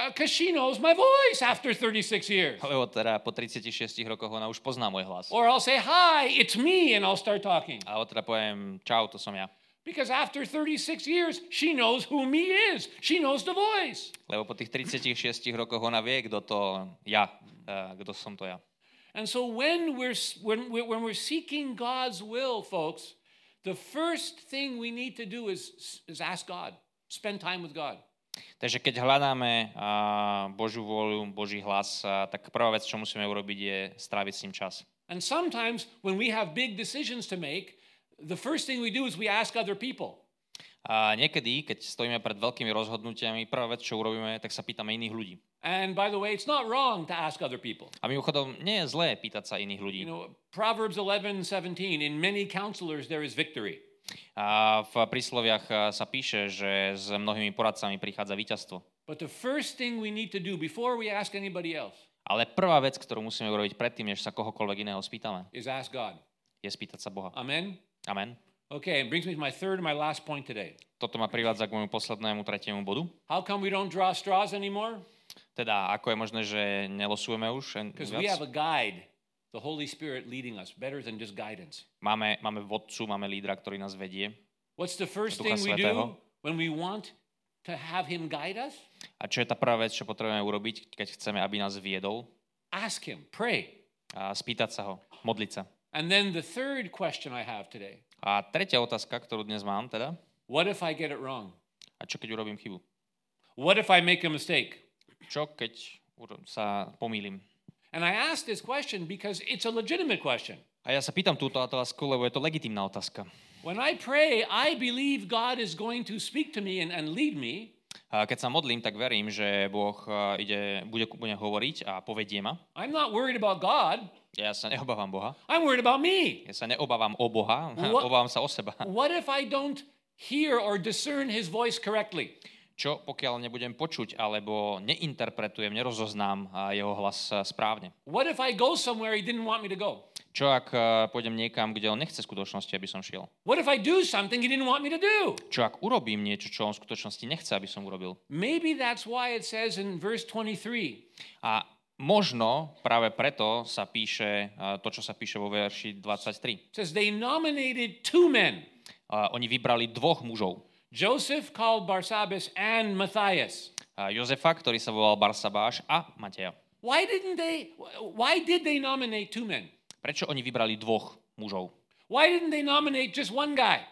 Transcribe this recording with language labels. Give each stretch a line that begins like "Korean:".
English: Because she knows my voice after 36 years.
Slovak: Lebo teda po 36 rokoch ona už pozná môj hlas.
English: Or I'll say hi, it's me and I'll start talking.
Slovak: Alebo teda poviem čau, to som ja.
English: Because after 36 years, she knows who me is. She knows the voice.
Slovak: Lebo po tých 36 rokoch ona vie, kto to ja, kto som to ja.
English: And so when we're seeking God's will, folks, the first thing we need to do is ask God. Spend time with God.
Slovak: Takže keď hľadáme Božiu vôľu, Boží hlas, tak prvá vec, čo musíme urobiť, je stráviť s ním čas.
English: And sometimes when we have big decisions to make, the first thing we do is we ask other people.
Slovak: A niekedy, keď stojíme pred veľkými rozhodnutiami, prvá vec, čo urobíme, tak sa pýtame iných ľudí.
English: And by the way, it's not wrong to ask other people.
Slovak: A mimochodom, nie je zlé pýtať sa iných ľudí.
English: You know, Proverbs 11:17, in many counselors there is victory.
Slovak: A v prísloviach sa píše, že s mnohými poradcami prichádza víťazstvo.
English: But the first thing we need to do before we ask anybody else.
Slovak: Ale prvá vec, ktorú musíme urobiť predtým, než sa kohokoľvek iného spýtame,
English: is ask God.
Slovak: Je spýtať sa Boha.
English: Amen.
Slovak: Amen.
English: Okay, it brings me to my third and my last point today.
Slovak: Toto ma privádza k môjmu poslednému tretiemu bodu.
English: How come we don't draw straws anymore?
Slovak: Teda, ako je možné, že nelosujeme už viac?
English: Because we have a guide, the Holy Spirit leading us, better than just guidance.
Slovak: Máme vodcu, máme lídra, ktorý nás vedie.
English: What's the first thing we do when we want to have him guide us?
Slovak: A čo je tá prvá vec, čo potrebujeme urobiť, keď chceme, aby nás viedol?
English: Ask him, pray.
Slovak: A spýtať sa ho, modliť sa.
English: And then the third question I have today.
Slovak: A tretia otázka, ktorú dnes mám, teda.
English: What if I get it wrong?
Slovak: A čo keď urobím chybu?
English: What if I make a mistake?
Slovak: Čo keď sa pomýlim?
English: And I ask this question because it's a legitimate question.
Slovak: A ja sa pýtam túto otázku, lebo je to legitímna otázka.
English: When I pray, I believe God is going to speak to me and lead me.
Slovak: A keď sa modlím, tak verím, že Boh bude hovoriť a povedie ma.
English: I'm not worried about God.
Slovak: Ja sa neobávam Boha.
English: I'm worried about me.
Slovak: Ja sa neobávam o Boha, obávam sa o seba.
English: What if I don't hear or discern his voice correctly?
Slovak: Čo pokiaľ nebudem počuť alebo neinterpretujem, nerozoznám jeho hlas správne?
English: What if I go somewhere he didn't want me to go?
Slovak: Čo ak pôjdem niekam, kde on nechce skutočnosti, aby som šiel?
English: What if I do something he didn't want me to do?
Slovak: Čo ak urobím niečo, čo on skutočnosti nechce, aby som urobil?
English: Maybe that's why it says in verse 23.
Slovak: A možno práve preto sa píše to, čo sa píše vo verši 23.
English: Says they nominated two men.
Slovak: Oni vybrali dvoch mužov.
English: Joseph called Barsabas and Matthias.
Slovak: Josefa, ktorý sa volal Barsabáš, a Mateja.
English: Why did they nominate two men?
Slovak: Prečo oni vybrali dvoch mužov?
English: Why didn't they nominate just one guy?